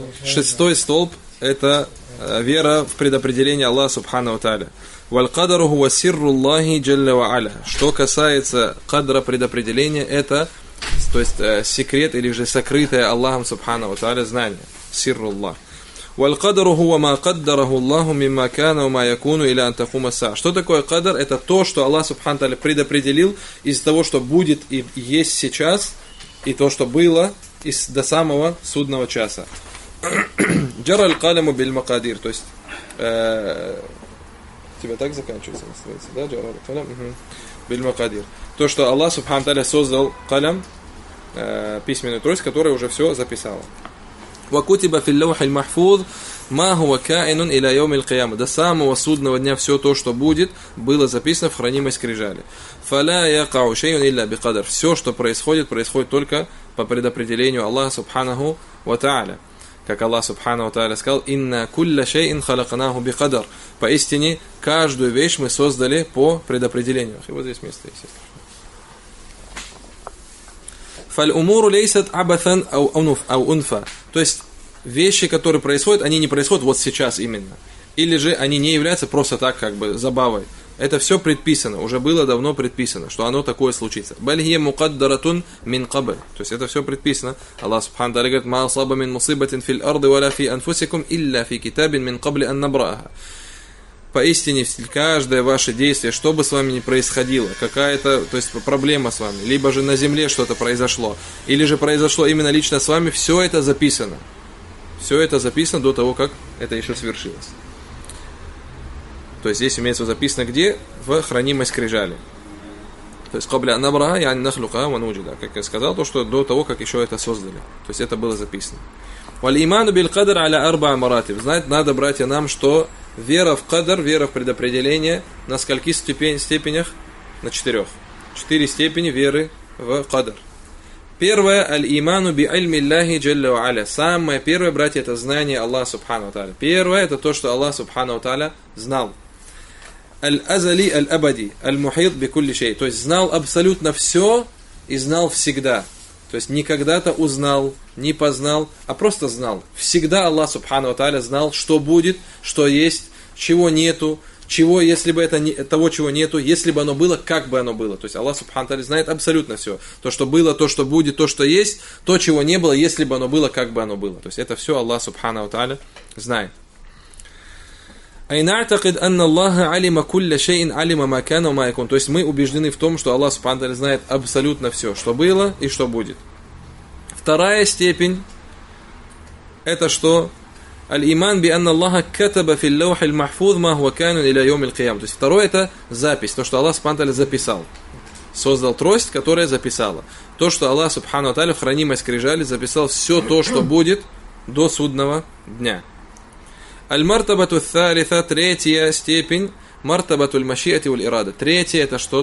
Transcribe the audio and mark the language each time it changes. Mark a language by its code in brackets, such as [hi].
[ru] Шестой столб – это вера в предопределение Аллаха Субхана ва Тааля. [ar] «Валь-Кадру хуа сирру Аллахи джалля ва аля». [ru] Что касается кадра предопределения, это, то есть, секрет или же сокрытое Аллахом Субхана ва Тааля знание. [ar] Сирру Аллах. والقدر هو ما قدره الله مما كان وما يكون إلى أن تقوم الساعة. [ru] Что такое кадр? Это то, что Аллах Субхана ва Тааля предопределил из того, что будет и есть сейчас, и то, что было из до самого судного часа. [ar] جرى القلم بالمقادير. [ru] То есть тебя так заканчивается настроиться, да? [ar] جرى القلم بالمقادير. [ru] То, что Аллах Субхана ва Тааля создал قلم, письменную трость, которая уже все записала. [ar] وكتب في اللوح المحفوظ ما هو كائن الى يوم القيامه. [ru] До самого судного дня все то, что будет, было записано в хранимой скрижали. [ar] فلا يقع شيء الا بقدر. [ru] Все, что происходит, происходит только по предопределению Аллаха Субханаху ва Тааля. Как Аллах Субханаху ва Тааля сказал: [ar] инна кулля шейин халакнаху бикадр. [ru] Поистине, каждую вещь мы создали по предопределению. И вот здесь место есть. [ar] فالامور ليست عبثا او انف او انفا. [ru] То есть вещи, которые происходят, они не происходят вот сейчас именно. Или же они не являются просто так, как бы забавой. Это все предписано, уже было давно предписано, что оно такое случится. [ar] بلغي مقدرتون من قبل. [ru] То есть это все предписано. Аллах Субхана ва Тааля говорит: [ar] ما أصاب من مصيبة في الأرض ولا في أنفسكم إلا في كتاب من قبل أن نبرأها. [ru] Поистине, каждое ваше действие, что бы с вами ни происходило, какая-то, то есть, проблема с вами, либо же на земле что-то произошло, или же произошло именно лично с вами, все это записано. Все это записано до того, как это еще свершилось. То есть, здесь имеется записано где? В хранимой скрижали. То есть, [ar] قبل أن نبرأ يعني نخلق ونوجد, [ru] как я сказал, то, что до того, как еще это создали. То есть, это было записано. [ar] والإيمان بالقدر على أربع مراتب. [ru] Знать надо, братья, нам, что вера в кадр, вера в предопределение на скольких степенях? На четырех. Четыре степени веры в кадр. Первое, [ar] аль-иману би альми Аллахи джалла ва аля. [ru] Самое первое, братья, это знание Аллаха Субхана ва Тааля. Первое, это то, что Аллах Субхана ва Тааля знал. [ar] Аль-азали аль-абади аль-мухит би кулли шей. [ru] То есть знал абсолютно все и знал всегда. То есть не когда-то узнал, не познал, а просто знал. Всегда Аллах Субхана ва Тааля знал, что будет, что есть, чего нету, чего, если бы это не, того, чего нету, если бы оно было, как бы оно было. То есть Аллах Субхана ва Тааля знает абсолютно все. То, что было, то, что будет, то, что есть, то, чего не было, если бы оно было, как бы оно было. То есть это все Аллах Субхана ва Тааля знает. [ar] أَيْنَعْتَقِدْ أَنَّ اللَّهَ عَلِمَ كُلَّ شَيْءٍ عَلِمَ مَا كَانَ وَمَا يَكُونَ. [ru] То есть мы убеждены в том, что Аллах Субхана ва Тааля знает абсолютно все, что было и что будет. Вторая степень, это что? [ar] الإيمان بأن الله كتب في اللوح المحفوظ ما هو كان إلى يوم القيامة. [ru] То есть второе, это запись, то, что Аллах Субхана ва Тааля записал. Создал трость, которая записала. То, что Аллах Субхана ва Тааля в хранимой скрижали записал все то, что будет до судного дня. [ar] Аль-мартабату ас-саліса, [ru] третья степень, [ar] мартабату аль-машіати валь-ирада. [ru] Третье это что?